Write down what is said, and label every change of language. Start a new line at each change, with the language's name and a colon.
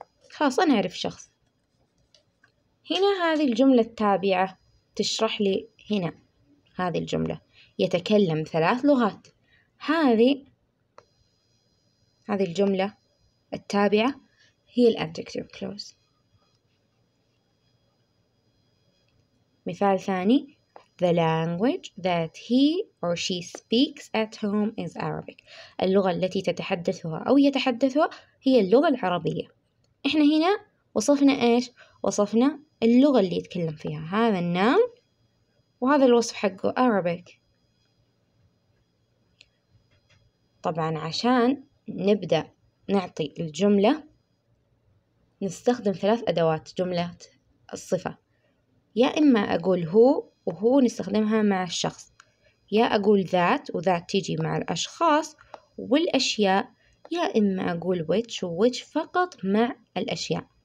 Arabic: خلاص أنا أعرف شخص. هنا هذه الجملة التابعة تشرح لي، هنا هذه الجملة يتكلم ثلاث لغات، هذه الجملة التابعة هي الأدجكتيف كلوز. مثال ثاني
English: The language that he or she speaks at home is Arabic.
Arabic: اللغة التي تتحدثها أو يتحدثها هي اللغة العربية. إحنا هنا وصفنا إيش؟ وصفنا اللغة اللي يتكلم فيها، هذا النون وهذا الوصف حقه Arabic. طبعا عشان نبدأ نعطي الجملة نستخدم ثلاث أدوات جملة الصفة، يا إما أقول هو وهو نستخدمها مع الشخص، يا أقول ذات وذات تيجي مع الأشخاص والأشياء، يا إما أقول which وwhich فقط مع الأشياء.